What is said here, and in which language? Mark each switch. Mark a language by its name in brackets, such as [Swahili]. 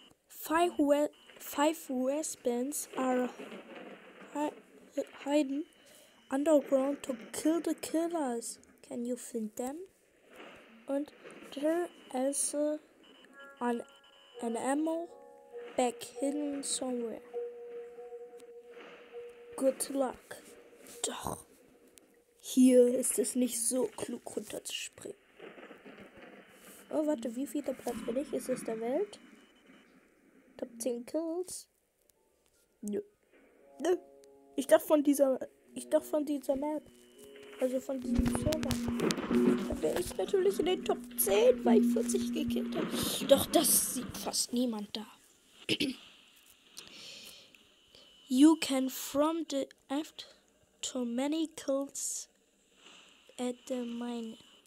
[English] Five weapons are hidden underground to kill the killers. Can you find them? And there is an ammo bag hidden somewhere. Good luck. [German] Doch, hier ist es nicht so klug runterzuspringen. Oh, warte, wie viel der Platz bin ich? Ist es der Welt? Top 10 Kills? Nö. Nö. Ich dachte von dieser Map. Also von diesem Server. Da wäre ich natürlich in den Top 10, weil ich 40 gekillt habe. Doch, das sieht fast niemand da. You can from the aft to many kills at the mine.